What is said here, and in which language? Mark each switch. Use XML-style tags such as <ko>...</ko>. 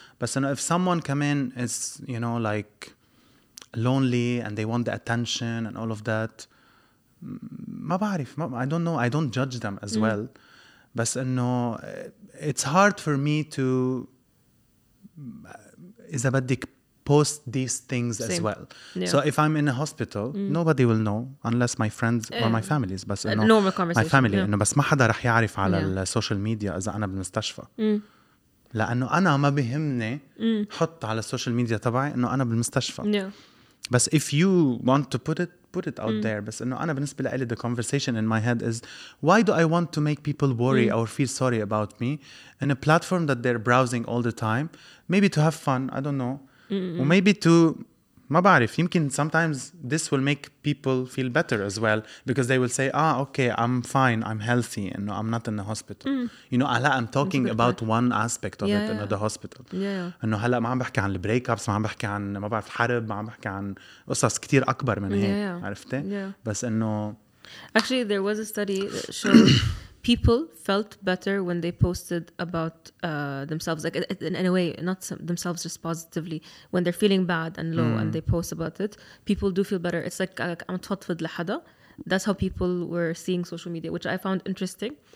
<en>But you know, if someone come in is you know like lonely and they want the attention and all of that,</en> <ar>ما بعرف,</ar> <en>I don't know, I don't judge them as well. But you know, it's hard for me to,</en> <ar>إذا بدك,</ar> <en>post these things same. As well. Yeah. So if I'm in a hospital, nobody will know unless my friends or my family is. But normal conversation. My family,</en> <ar>إنه بس ما حدا رح يعرف على السوشيال ميديا إذا أنا بالمستشفى. لأنه أنا ما بهمني حط على السوشيال ميديا تبعي إنه أنا بالمستشفى.</ar> <en>Yeah. But if you want to put it out there.</en> <ar>بس إنه أنا بالنسبة لي</ar> <en>the conversation in my head is why do I want to make people worry or feel sorry about me in a platform that they're browsing all the time? Maybe to have fun. I don't know. Mm-mm. Or maybe to,</en> <ar>ما بعرف, يمكن</ar> <en>sometimes this will make people feel better as well because they will say, ah, okay, I'm fine, I'm healthy, and no, I'm not in the hospital. You know, هلا I'm talking about one aspect of it, you know, the hospital. Yeah.</en> <ar>إنه هلا ما عم بحكي عن</ar> <en>the breakups,</en> <ar>ما عم بحكي عن ما بعرف الحرب, ما عم بحكي عن قصص كتير أكبر من هيك, عرفتي؟</ar> <en>Yeah.</en> <ar>بس إنه</ar> <en>actually there was a study that showed people felt better when they posted about themselves, like in a way, not themselves, just positively. When they're feeling bad and low and they post about it, people do feel better. It's like I'm</en> <ar>tatfid lahada.</ar> <en>That's how people were seeing social media, which I found interesting.</en>